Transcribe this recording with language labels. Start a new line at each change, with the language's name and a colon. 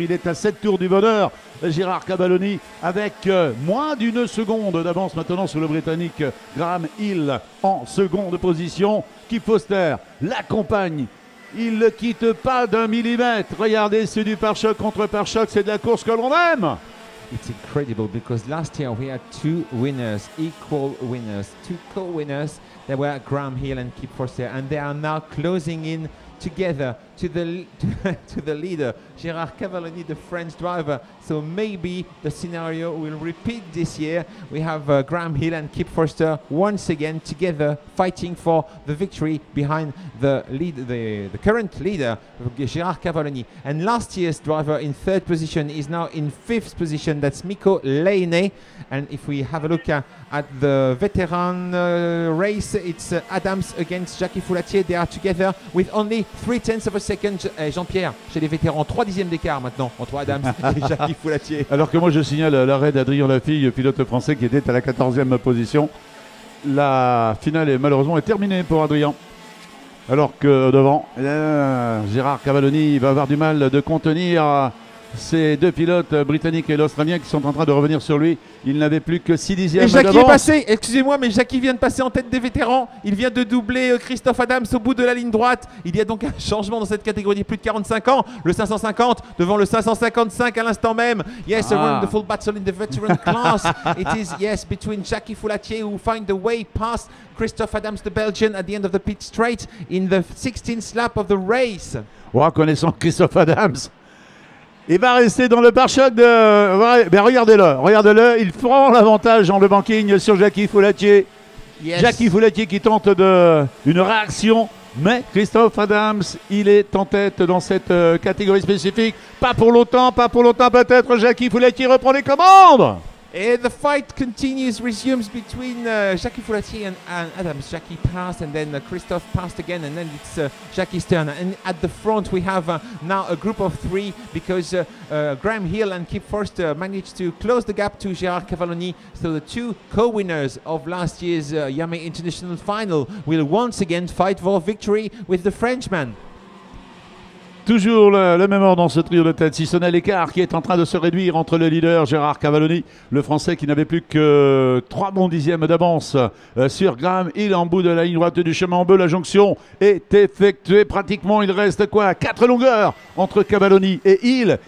French: Il est à 7 tours du bonheur, Gérard Cavalloni, avec moins d'une seconde d'avance maintenant sur le Britannique Graham Hill en seconde position. Kip Foster l'accompagne. Il ne quitte pas d'un millimètre. Regardez, c'est du pare-choc contre pare-choc. C'est de la course que l'on aime.
English: It's incredible, because last year we had two co-winners, that were Graham Hill and Kip Foster, and they are now closing in together to the leader, Gérard Cavalloni, the French driver. So maybe the scenario will repeat this year. We have Graham Hill and Kip Foster once again together fighting for the victory behind the current leader, Gérard Cavalloni. And last year's driver in third position is now in fifth position. That's Mikko Leine. And if we have a look at the veteran race, it's Adams against Jackie Foulatier. They are together with only 0.3 seconds.
French: Jean-Pierre, chez les vétérans, 3 dixièmes d'écart maintenant entre Adams et Jackie Foulatier. Alors que moi, je signale l'arrêt d'Adrien Lafille, pilote français, qui était à la 14e position. La finale est malheureusement terminée pour Adrien. Alors que devant, Gérard Cavalloni va avoir du mal de contenir ces deux pilotes britanniques et l'Australien qui sont en train de revenir sur lui. Il n'avait plus que 6 dixièmes d'avance. Et Jackie est passé. Excusez-moi, mais Jackie vient de passer en tête des vétérans. Il vient de doubler Christophe Adams au bout de la ligne droite. Il y a donc un changement dans cette catégorie plus de 45 ans. Le 550 devant le 555 à l'instant même.
English: Yes, a wonderful battle in the veteran class. It is, yes, between Jackie Foulatier, who find the way past Christophe Adams, the Belgian, at the end of the pit straight in the 16th lap of the race.
French: Ouais, connaissant Christophe Adams, il va rester dans le pare-choc de... Ben regardez-le, il prend l'avantage en le banking sur Jackie Foulatier.
English: Yes.
French: Jackie Foulatier qui tente une réaction, mais Christophe Adams, il est en tête dans cette catégorie spécifique. Pas pour longtemps peut-être, Jackie Foulatier reprend les commandes.
English: And the fight continues, resumes between Jackie Fouratier and Adams. Jackie passed, and then Christophe passed again, and then it's Jackie's turn. And at the front, we have now a group of three, because Graham Hill and Kip Forster managed to close the gap to Gérard Cavalloni. So the two co-winners of last year's Yamé International Final will once again fight for victory with the Frenchman.
French: Toujours le même ordre dans ce trio de tête, si ce n'est l'écart qui est en train de se réduire entre le leader Gérard Cavalloni, le Français qui n'avait plus que 3 bons dixièmes d'avance sur Graham Hill en bout de la ligne droite du chemin en bleu. La jonction est effectuée pratiquement, il reste quoi, 4 longueurs entre Cavalloni et Hill.